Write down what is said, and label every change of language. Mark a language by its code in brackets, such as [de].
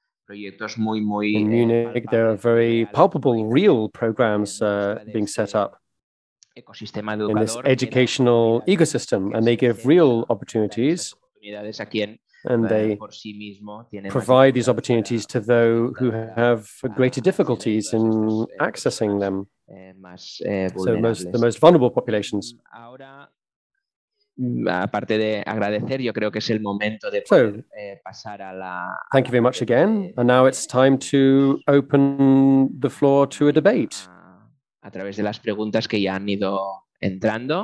[en] In Munich, there are very palpable, real programs being set up in this educational ecosystem, and they give real opportunities, and they provide these opportunities to those who have greater difficulties in accessing them, so the most vulnerable populations. [es] Aparte de agradecer, yo creo que es el momento de pasar a la. [en] Thank you very much again, and now it's time to open the floor to a debate. [es] A través de las preguntas que ya han ido entrando.